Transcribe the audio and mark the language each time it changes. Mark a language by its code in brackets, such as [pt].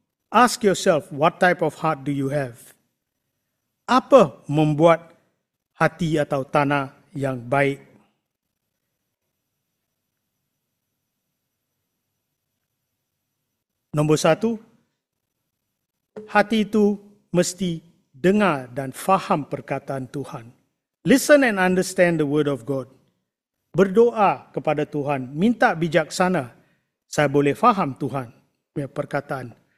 [en] Ask yourself, what type of heart do you have? [ms] Apa membuat hati atau tanah yang baik? Nombor satu, hati itu mesti dengar dan faham perkataan Tuhan. [en] Listen and understand the word of God. [ms] Berdoa kepada Tuhan, minta bijaksana. Saya boleh faham Tuhan punya perkataan.